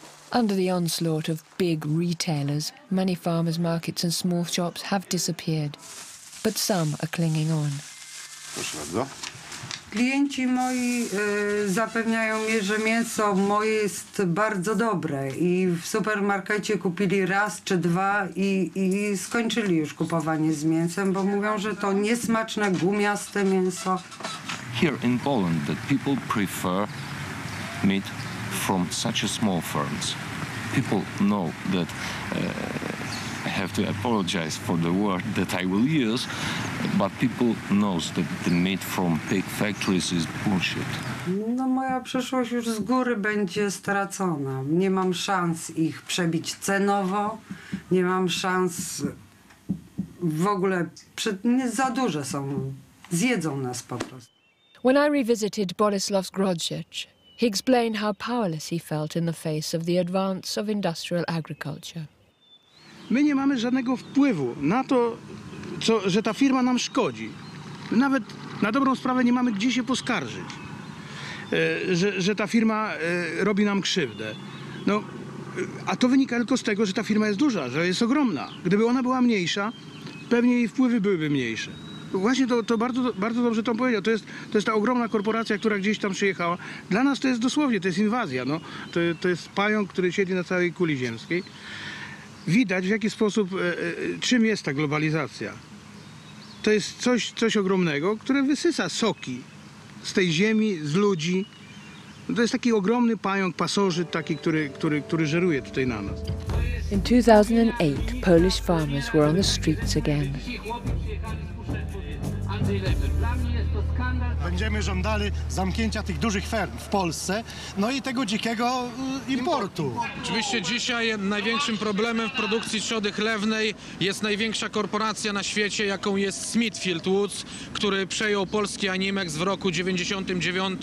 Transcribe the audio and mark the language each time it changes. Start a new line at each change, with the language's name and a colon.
English: Under the onslaught of big retailers, many farmers' markets and small shops have disappeared, but some are clinging on.
Polish: Klienci moi zapewniają mnie, że mięso moje jest bardzo dobre i w supermarkecie kupili raz czy dwa i skończyli już kupowanie z mięsem, bo mówią, że to niesmaczne, gumiaste mięso.
English: Here in Poland, that people prefer meat from such a small farms. People know that I have to apologize for the word that I will use, but people know that the meat from pig factories is bullshit.
Polish: No, moja przyszłość już z góry będzie stracona. Nie mam szans ich przebić cenowo, nie mam szans w ogóle, za duże są, zjedzą nas po prostu.
English: When I revisited Borislav's Grodzic, he explained how powerless he felt in the face of the advance of industrial agriculture.
Polish: My nie mamy żadnego wpływu na to, co, że ta firma nam szkodzi. Nawet na dobrą sprawę nie mamy gdzie się poskarżyć, że ta firma robi nam krzywdę. No, a to wynika tylko z tego, że ta firma jest duża, że jest ogromna. Gdyby ona była mniejsza, pewnie jej wpływy byłyby mniejsze. Właśnie to bardzo, bardzo dobrze to powiedział. To jest ta ogromna korporacja, która gdzieś tam przyjechała. Dla nas to jest dosłownie, to jest inwazja. No. To jest pająk, który siedzi na całej kuli ziemskiej. Widać, w jaki sposób, czym jest ta globalizacja. To jest coś ogromnego, które wysysa soki z tej ziemi, z ludzi. To jest taki ogromny pająk, pasożyt taki, który żeruje tutaj na nas.
English: In 2008 Polish farmers were on the streets again.
Polish: Będziemy żądali zamknięcia tych dużych ferm w Polsce, no i tego dzikiego importu. Oczywiście dzisiaj największym problemem w produkcji trzody chlewnej jest największa korporacja na świecie, jaką jest Smithfield Woods, który przejął polski Animex w roku 99.